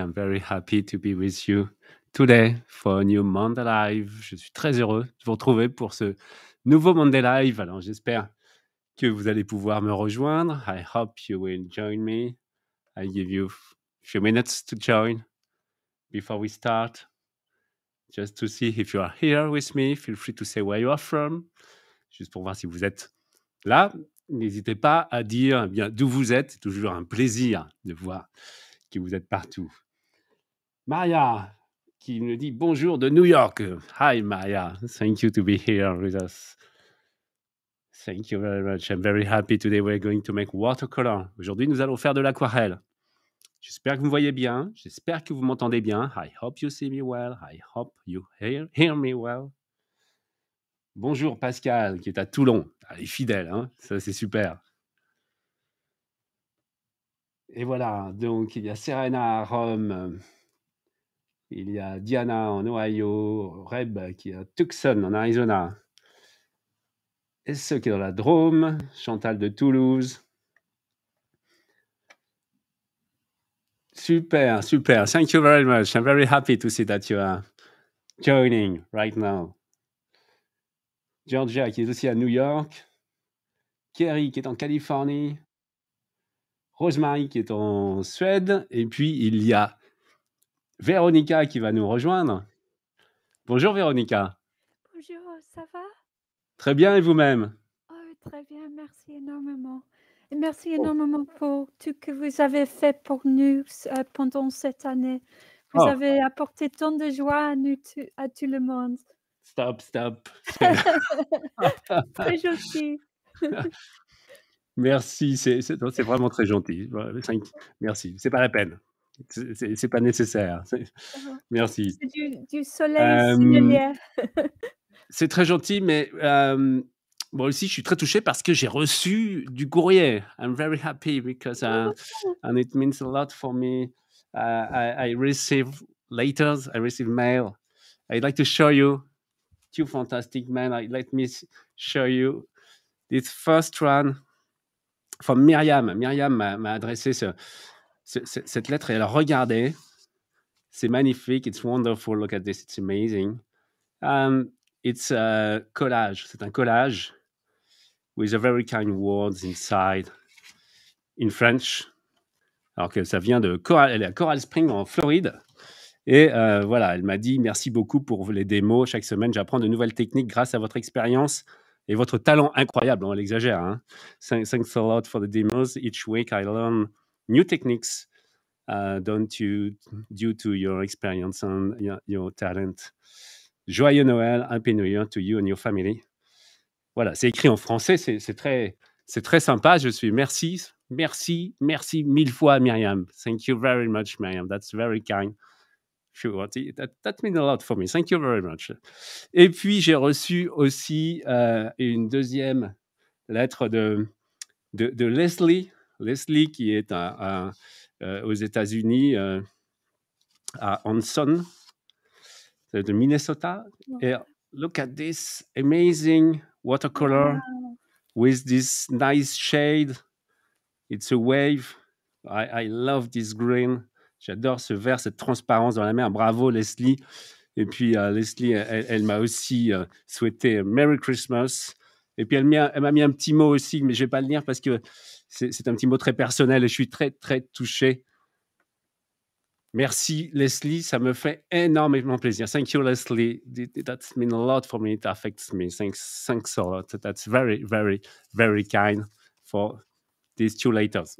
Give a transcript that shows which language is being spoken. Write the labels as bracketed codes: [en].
[en] I'm very happy to be with you today for a new Monday Live. [fr] Je suis très heureux de vous retrouver pour ce nouveau Monday Live. Alors j'espère que vous allez pouvoir me rejoindre. [en] I hope you will join me. I'll give you a few minutes to join before we start. Just to see if you are here with me, feel free to say where you are from. [fr] Juste pour voir si vous êtes là. N'hésitez pas à dire eh bien, d'où vous êtes. C'est toujours un plaisir de voir que vous êtes partout. Maria, qui nous dit bonjour de New York. [en] Hi, Maria. Thank you to be here with us. Thank you very much. I'm very happy today we're going to make watercolor. [fr] Aujourd'hui, nous allons faire de l'aquarelle. J'espère que vous me voyez bien. J'espère que vous m'entendez bien. [en] I hope you see me well. I hope you hear me well. [fr] Bonjour Pascal, qui est à Toulon. Elle est fidèle, hein, ça c'est super. Et voilà, donc il y a Serena à Rome, il y a Diana en Ohio, Reb qui est à Tucson en Arizona, Esso qui est dans la Drôme, Chantal de Toulouse. [en] Super, super, thank you very much. I'm very happy to see that you are joining right now. [fr] Georgia, qui est aussi à New York. Kerry, qui est en Californie. Rosemary, qui est en Suède. Et puis, il y a Véronica qui va nous rejoindre. Bonjour, Véronica. Bonjour, ça va? Très bien, et vous-même? Oh, très bien, merci énormément. Et merci énormément pour tout que vous avez fait pour nous pendant cette année. Vous avez apporté tant de joie à nous, à tout le monde. Stop, stop. Très gentil. Merci, c'est vraiment très gentil. Merci, c'est pas la peine. C'est pas nécessaire. Merci. C'est du soleil, c'est C'est très gentil, mais moi aussi, je suis très touché parce que j'ai reçu du courrier. [en] I'm very happy because and it means a lot for me. I receive mail. I'd like to show you. You fantastic man. Let me show you this first one from Myriam. [fr] Myriam m'a adressé cette lettre et elle a regardé. C'est magnifique. [en] It's wonderful. Look at this. It's amazing. It's a collage. [fr] C'est un collage [en] with a very kind words inside in French. [fr] Alors que ça vient de Coral, elle est à Coral Springs en Floride. Et voilà, elle m'a dit « Merci beaucoup pour les démos. Chaque semaine, j'apprends de nouvelles techniques grâce à votre expérience et votre talent incroyable. » On l'exagère, hein. [en] « Thanks a lot for the demos. Each week, I learn new techniques due to your experience and your talent. [fr] Joyeux Noël, [en] Happy New Year to you and your family. » [fr] Voilà, c'est écrit en français. C'est très sympa. Je suis merci, merci, merci mille fois, Myriam. [en] « Thank you very much, Myriam. That's very kind. » That means a lot for me. Thank you very much. [fr] Et puis, j'ai reçu aussi une deuxième lettre de Leslie. Leslie, qui est aux États-Unis, à Hanson, de Minnesota. [en] Et look at this amazing watercolor with this nice shade. It's a wave. I love this green. [fr] J'adore ce vert, cette transparence dans la mer. Bravo, Leslie. Et puis, Leslie, elle m'a aussi souhaité [en] Merry Christmas. [fr] Et puis, elle m'a mis un petit mot aussi, mais je ne vais pas le lire parce que c'est un petit mot très personnel et je suis très, très touché. Merci, Leslie. Ça me fait énormément plaisir. [en] Thank you, Leslie. That means a lot for me. It affects me. Thanks a lot. That's very, very, very kind for these two letters.